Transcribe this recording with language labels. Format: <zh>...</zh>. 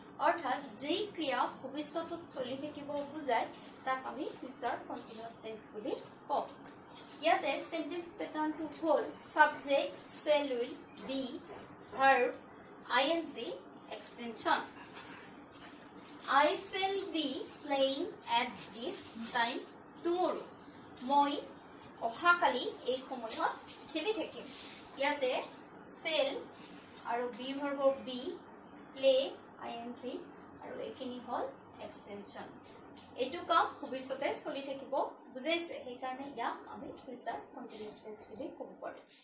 <as>অৰ্থাৎ যি ক্ৰিয়া ভৱিষ্যতত চলি থাকিব বুজায় তাক আমি future continuous tense বুলি কওঁ ইয়াতে sentence পেটাৰ্ণটো হ'ল subject, shall will, be, verb, ing, extension.</as> <en>I shall be playing at this time tomorrow.</en> <as>মই অহাকালি এই সময়ত খেলি থাকিম ইয়াতে চেল আৰু বি ভাৰ্বৰ বি প্লে আই এন চি আৰু এইখিনি হ'ল এক্সটেনশ্যন এইটো কাম ভৱিষ্যতে চলি থাকিব বুজাইছে সেইকাৰণে ইয়াক আমি ফিউচাৰ কণ্টিনিউৱাছ টেন্স বুলি ক'ব পাৰোঁ</as>